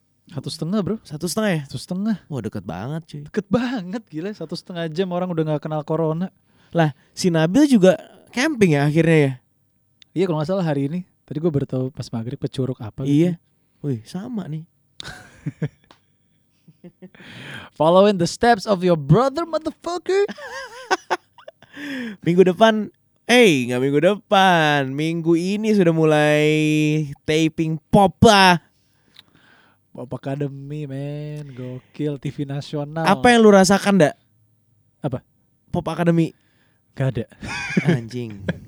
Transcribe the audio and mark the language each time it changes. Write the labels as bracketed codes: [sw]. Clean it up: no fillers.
[id] Satu setengah bro. Satu setengah ya? Satu setengah. Wah deket banget cuy. Deket banget gila. 1.5 jam orang udah gak kenal corona. Lah si Nabil juga camping ya akhirnya ya? Iya kalau gak salah hari ini. Tadi gue beritahu pas maghrib ke Curug apa. Iya gitu. Wih sama nih. [en] Following the steps of your brother motherfucker. [id] Minggu depan. Gak minggu depan. Minggu ini sudah mulai taping Popa. Pop Academy man, gokil, TV nasional. Apa yang lu rasakan dak? Apa? Pop Academy. Gak ada. Anjing.